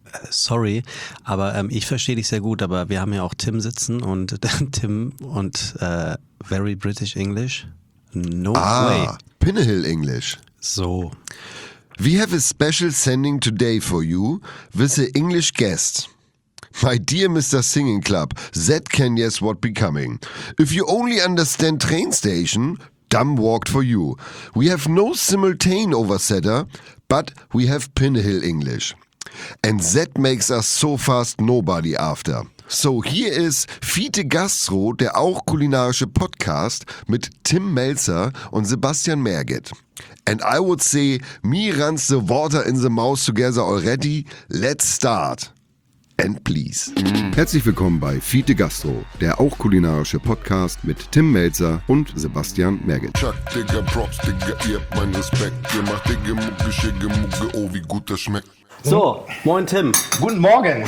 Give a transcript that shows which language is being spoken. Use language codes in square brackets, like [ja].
[de] Sorry, aber ich verstehe dich sehr gut, aber wir haben ja auch Tim sitzen und Tim und [en] very British English. No way. Pinnahill English. So. We have a special sending today for you with an English guest. My dear Mr. Singing Club, that can guess what be coming. If you only understand train station, dumb walked for you. We have no simultane oversetter, but we have Pinnahill English. And that makes us so fast nobody after. So here is [de] Vita Gastro, der auch kulinarische Podcast mit Tim Melzer und Sebastian Merget. [en] And I would say, me runs the water in the mouth together already. Let's start. And please. [de] Herzlich willkommen bei Vita Gastro, der auch kulinarische Podcast mit Tim Melzer und Sebastian Merget. Chuck, Digga, Props, Digga, ihr habt meinen Respekt. Ihr macht Digga, Mucke, Schicke, Mucke, oh, wie gut das schmeckt. So, moin Tim. Guten Morgen.